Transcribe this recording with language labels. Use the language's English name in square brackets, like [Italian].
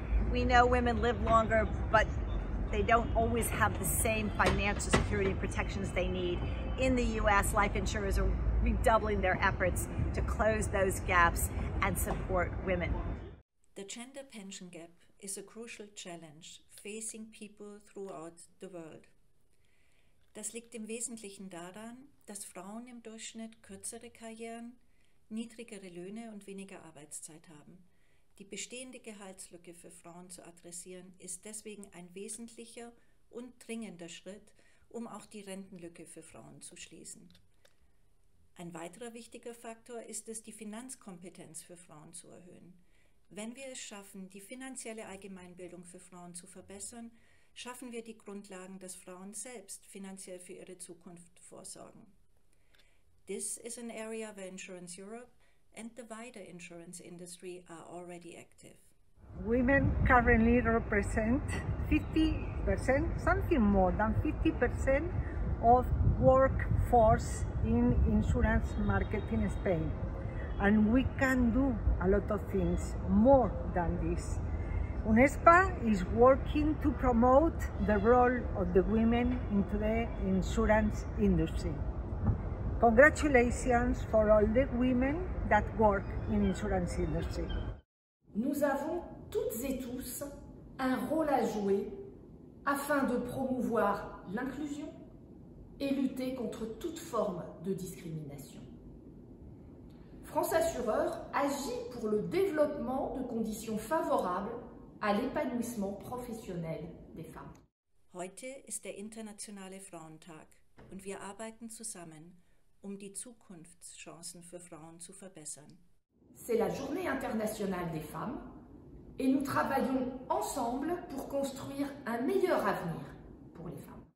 [English] We know women live longer, but they don't always have the same financial security and protections they need. In the U.S., life insurers are redoubling their efforts to close those gaps and support women. The gender pension gap is a crucial challenge facing people throughout the world. [German] Das liegt im Wesentlichen daran, dass Frauen im Durchschnitt kürzere Karrieren, niedrigere Löhne und weniger Arbeitszeit haben. Die bestehende Gehaltslücke für Frauen zu adressieren, ist deswegen ein wesentlicher und dringender Schritt, um auch die Rentenlücke für Frauen zu schließen. Ein weiterer wichtiger Faktor ist es, die Finanzkompetenz für Frauen zu erhöhen. Wenn wir es schaffen, die finanzielle Allgemeinbildung für Frauen zu verbessern, schaffen wir die Grundlagen, dass Frauen selbst finanziell für ihre Zukunft vorsorgen. [English] This is an area where Insurance Europe and the wider insurance industry are already active. Women currently represent 50%, something more than 50% of workforce in insurance market in Spain. And we can do a lot of things more than this. UNESPA is working to promote the role of the women in the insurance industry. Congratulations for all the women that work in insurance industry. [French] Nous avons toutes et tous un rôle à jouer afin de promouvoir l'inclusion et lutter contre toute forme de discrimination. France Assureurs agit pour le développement de conditions favorables à l'épanouissement professionnel des femmes. [German] Heute ist der internationale Frauentag und wir arbeiten zusammen, um die Zukunftschancen für Frauen zu verbessern. [French] C'est la Journée internationale des femmes et nous travaillons ensemble pour construire un meilleur avenir pour les femmes.